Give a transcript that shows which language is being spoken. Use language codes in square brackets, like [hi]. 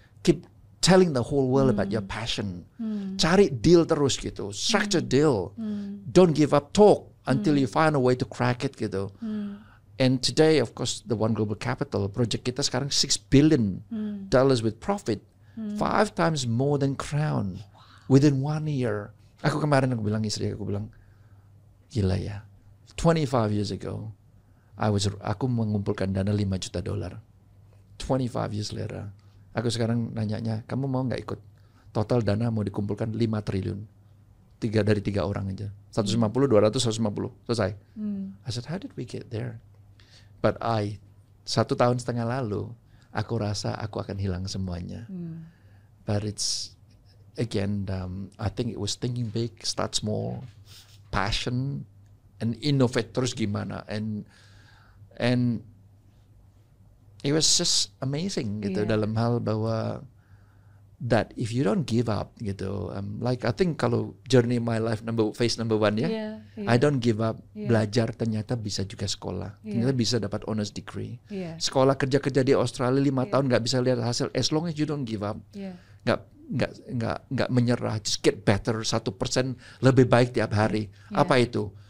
[en] Keep telling the whole world about your passion. [id] Cari deal terus gitu. [en] Structure deal. Don't give up. Talk until you find a way to crack it [id] gitu. [en] And today, of course, the One Global Capital project [id] kita sekarang [en] $6 billion with profit. 5 times more than Crown within 1 year. [id] Aku kemarin aku bilang istri aku bilang, gila ya. [en] 25 years ago, [id] aku mengumpulkan dana $5 juta. [en] 25 years later, [id] aku sekarang nanyanya, kamu mau gak ikut? Total dana mau dikumpulkan 5 triliun. Dari tiga orang aja. 150, 200, 150. Selesai. [en] I said, how did we get there? But I, [id] 1 tahun setengah lalu, aku rasa aku akan hilang semuanya. [en] But it's, again, I think it was thinking big, start small, passion, and innovate [id] terus gimana. [en] And it was just amazing gitu [id] dalam hal bahwa [en] that if you don't give up gitu, like I think kalau journey my life phase number one ya, I don't give up, [id] belajar ternyata bisa juga sekolah, ternyata bisa dapat [en] honors degree, [id] sekolah kerja di Australia 5 tahun nggak bisa lihat hasil, [en] as long as you don't give up, [id] nggak menyerah, [en] just get better 1% [id] lebih baik tiap hari, apa itu?